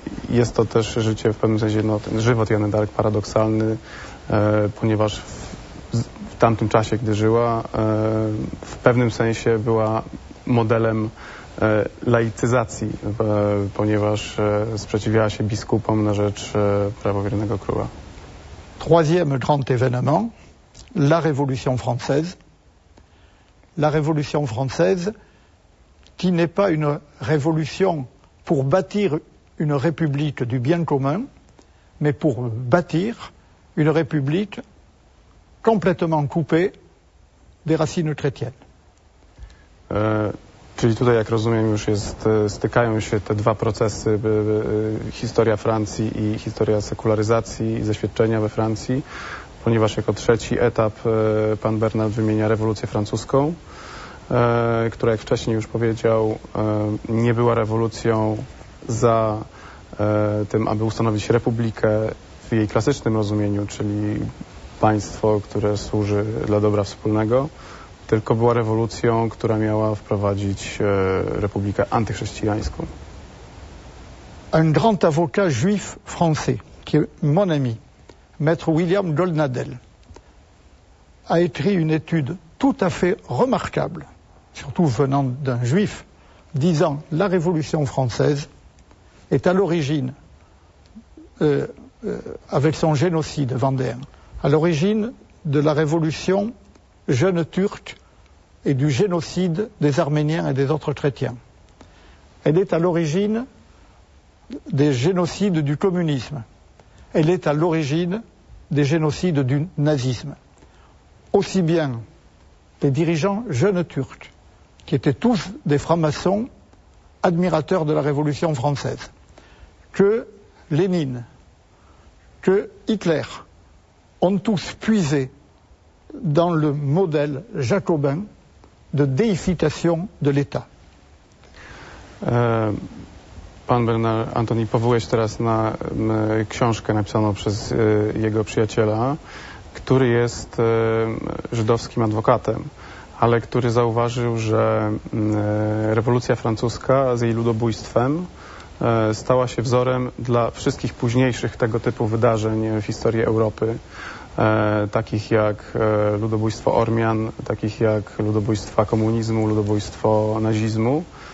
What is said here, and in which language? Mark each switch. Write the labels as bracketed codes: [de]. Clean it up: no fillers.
[pl] jest to też życie w pewnym sensie, no, ten żywot Joanny d'Arc paradoksalny, ponieważ w tamtym czasie, gdy żyła, w pewnym sensie była modelem laicyzacji, ponieważ sprzeciwiała się biskupom na rzecz prawowiernego króla. [fr] Troisième grand événement, la Révolution française. La Révolution française, qui n'est pas une révolution pour bâtir une république du bien commun, mais pour bâtir une république complètement coupée des racines chrétiennes. [pl] Czyli tutaj, jak rozumiem, już stykają się te dwa procesy, historia Francji i historia sekularyzacji i zaświadczenia we Francji, ponieważ jako trzeci etap pan Bernard wymienia rewolucję francuską, która, jak wcześniej już powiedział, nie była rewolucją za tym, aby ustanowić republikę w jej klasycznym rozumieniu, czyli państwo, które służy dla dobra wspólnego, tylko była rewolucją, która miała wprowadzić republikę antychrześcijańską. [fr] Un grand avocat juif français, qui est mon ami, maître William Goldnadel, a écrit une étude tout à fait remarquable, surtout venant d'un juif, disant « la Révolution française est à l'origine, avec son génocide vendéen, à l'origine de la révolution jeune turque et du génocide des Arméniens et des autres chrétiens. Elle est à l'origine des génocides du communisme. Elle est à l'origine des génocides du nazisme. Aussi bien les dirigeants jeunes turcs, qui étaient tous des francs-maçons, admirateurs de la Révolution française, que Lénine, que Hitler, ont tous puisé dans le modèle jacobin de déification de l'État. [pl] Pan Bernard Antoni, powołuje się teraz na książkę napisaną przez jego przyjaciela, który jest żydowskim adwokatem, ale który zauważył, że rewolucja francuska z jej ludobójstwem stała się wzorem dla wszystkich późniejszych tego typu wydarzeń w historii Europy, takich jak ludobójstwo Ormian, takich jak ludobójstwa komunizmu, ludobójstwo nazizmu.